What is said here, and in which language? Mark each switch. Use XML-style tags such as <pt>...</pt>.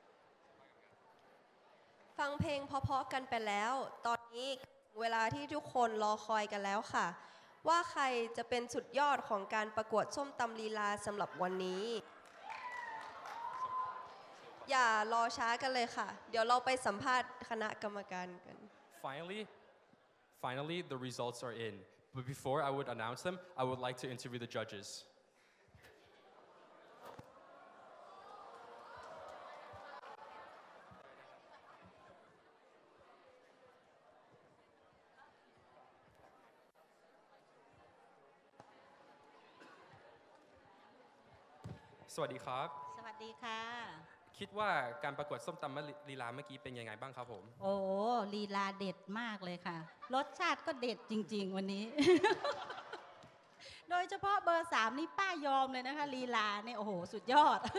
<th>งเพลงเพราะๆกันไปแล้วตอนนี้เวลาที่ทุกคนรอคอยกันแล้วค่ะว่าใครจะเป็นสุดยอดของการประกวดส้มตำลีลาสำหรับวันนี้อย่ารอช้ากันเลยค่ะเดี๋ยวเราไปสัมภาษณ์คณะกรรมการกัน</th> <en>Finally the results are in but before I would announce them I would like to interview the judges</en> <th>สวัสดีครับ สวัสดีค่ะ คิดว่าการประกวดส้มตำลีลาเมื่อกี้เป็นยังไงบ้างครับผม โอ้ลีลาเด็ดมากเลยค่ะรสชาติก็เด็ดจริงๆวันนี้โดยเฉพาะเบอร์3นี่ป้ายอมเลยนะคะลีลาเนี่ยโอ้โหสุดยอด</th>